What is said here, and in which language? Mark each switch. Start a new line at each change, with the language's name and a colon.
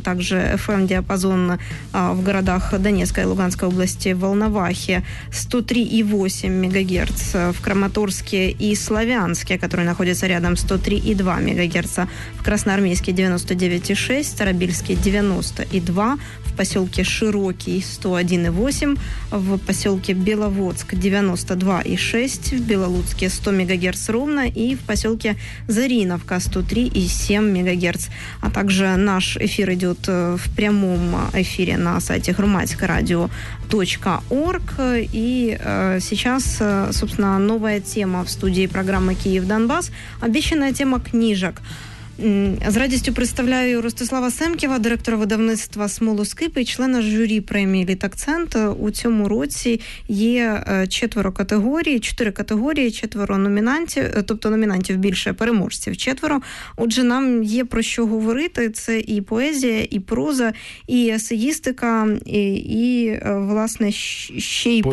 Russian: Также FM-диапазон в городах Донецкой и Луганской области, Волновахе, 103.8 МГц, в Краматорске и Славянске, который находится рядом, 103,2 МГц, в Красноармейске 99,6, в Старобильске 90,2, в поселке Широкий 101,8, в поселке Беловодск 92,6, в Белолуцке 100 МГц ровно и в поселке Зариновка 103,7 МГц. А также наш эфир идет в прямом эфире на сайте hromadskoyradio.org. И сейчас, собственно, новая тема в студии программы «Киев-Донбасс», обещанная тема книжек. С радостью представляю Ростислава Семківа, директора
Ukrainian: видавництва «Смолоскип» і члена журі премії «Літакцент». У цьому році є чотири номінантів номінантів, тобто номінантів більше, переможців четверо. Отже, нам є про що говорити. Це і поезія, і проза, і есеїстика, і власне, ще й